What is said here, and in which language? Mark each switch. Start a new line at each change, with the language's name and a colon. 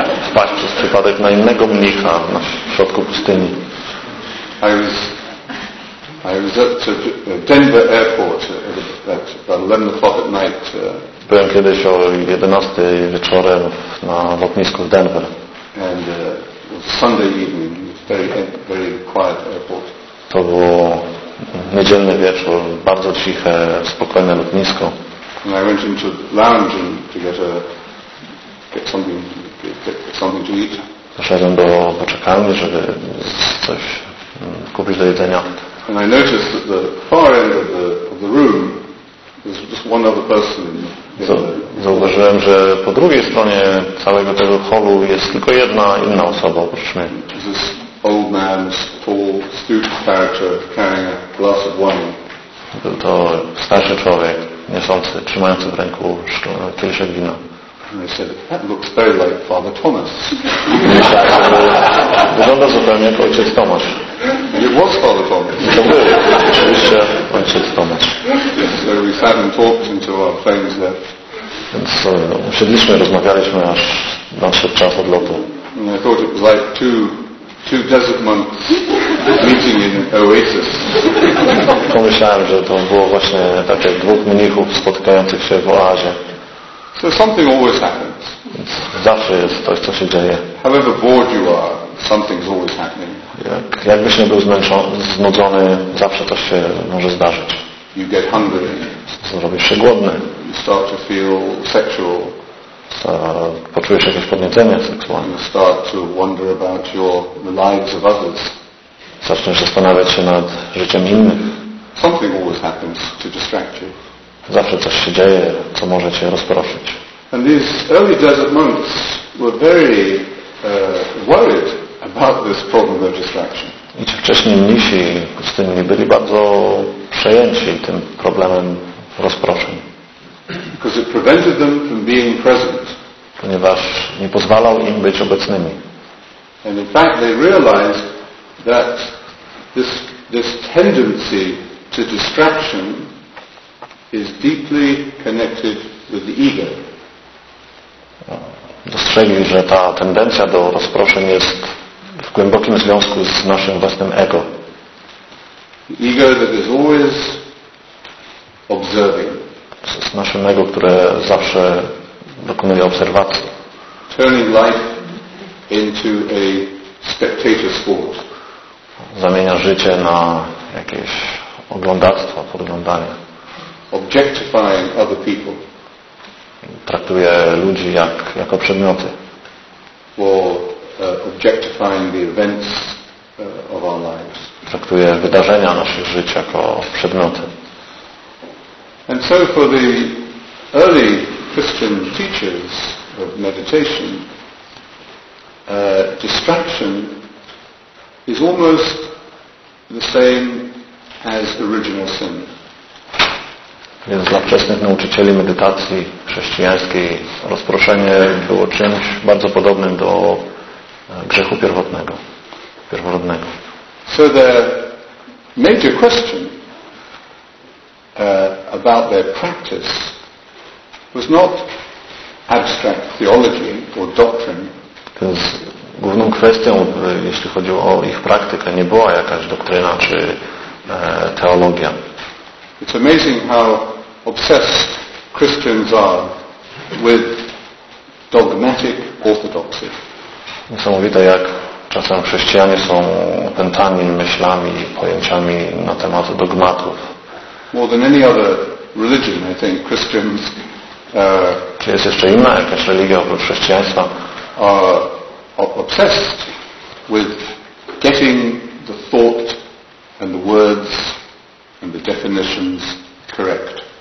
Polish: Wpaść przez przypadek na innego mnicha na środku pustyni.
English: I was at Denver Airport at 11 o'clock at night.
Polish: Byłem kiedyś o 11 wieczorem na lotnisku w Denver.
English: And it was Sunday evening, very very quiet airport.
Polish: To było niedzielny wieczór, bardzo ciche, spokojne lotnisko.
English: And I went into the lounge to get something to eat.
Polish: Poszedłem do poczekalni, żeby coś kupić do jedzenia.
English: And I noticed that the far end of the room was just one other person.
Polish: Zauważyłem, że po drugiej stronie całego tego holu jest tylko jedna inna osoba, oprócz mnie.
English: Old man, tall, stooped character, carrying a glass of wine.
Polish: Był to starszy człowiek, niosący, trzymający w ręku kieliszek wina.
English: And I said, that looks very like Father Thomas.
Polish: Wygląda zupełnie jak ojciec Tomasz.
English: It was Father Thomas.
Polish: To był oczywiście ojciec Tomasz.
English: So we sat and talked until our planes left.
Polish: Więc usiedliśmy, rozmawialiśmy, aż nadszedł czas odlotu.
English: And I thought it was like two desert monks meeting in oasis.
Polish: Pomyślałem, że to było właśnie tak jak dwóch mnichów spotykających się w oazie.
English: So something always happens.
Polish: Zawsze jest coś, co się dzieje.
English: However bored you are, something's always happening.
Polish: Jakbyś nie był znudzony, zawsze coś się może zdarzyć.
English: You get hungry.
Polish: Zrobisz się głodny.
English: You start to feel sexual.
Polish: Poczujesz jakieś podniecenie seksualne.
English: Start to wonder about the lives of others.
Polish: Zaczniesz zastanawiać się nad życiem innych.
English: Something always happens to distract you.
Polish: Zawsze coś się dzieje, co może cię rozproszyć.
English: And these early desert monks were very worried about this problem of distraction.
Polish: I ci wcześniej mnisi pustynni byli bardzo przejęci tym problemem rozproszeń.
English: Because it prevented them from being present.
Polish: Ponieważ nie pozwalał im być obecnymi.
English: And in fact, they realized that this tendency to distraction is deeply connected with the ego.
Polish: Dostrzegli, że ta tendencja do rozproszeń jest w głębokim związku z naszym własnym ego.
English: The ego that is always observing.
Polish: Z naszym ego, które zawsze dokonuje obserwacji.
English: Turning life into a spectator sport.
Polish: Zamienia życie na jakieś oglądactwo, podglądanie.
English: Objectifying other people.
Polish: Traktuje ludzi jako przedmioty.
English: Or objectifying the events of our lives.
Polish: Traktuje wydarzenia naszych żyć jako przedmioty.
English: And so for the early Christian teachers of meditation, distraction is almost the same as original sin.
Polish: Więc dla wczesnych nauczycieli medytacji chrześcijańskiej rozproszenie było czymś bardzo podobnym do grzechu pierworodnego.
English: So the major question about their practice was not abstract theology or doctrine.
Polish: Więc główną kwestią, jeśli chodzi o ich praktykę, nie była jakaś doktryna czy teologia.
English: It's amazing how obsessed Christians are with dogmatic orthodoxy.
Polish: Niesamowite, jak czasem chrześcijanie są opętani myślami, pojęciami na temat dogmatów.
English: More than any other religion, I think Christians.
Polish: Czy jest jeszcze inna jakaś religia oprócz chrześcijaństwa?
English: Are obsessed with getting the thought and the words and the definitions correct.